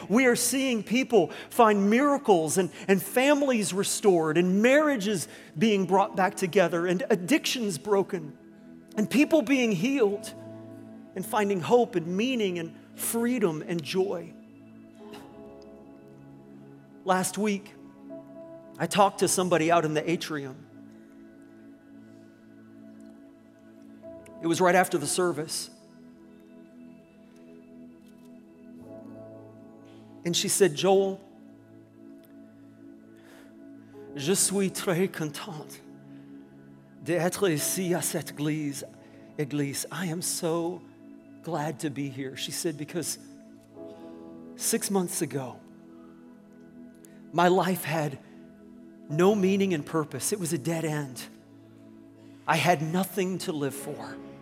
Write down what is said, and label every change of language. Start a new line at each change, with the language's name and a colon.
English: We are seeing people find miracles and families restored and marriages being brought back together and addictions broken and people being healed and finding hope and meaning and freedom and joy. Last week, I talked to somebody out in the atrium. It was right after the service. And she said,
French: Joel, je suis très contente d'être ici à cette église.
English: I am so glad to be here. She said, because 6 months ago, my life had no meaning and purpose. It was a dead end. I had nothing to live for.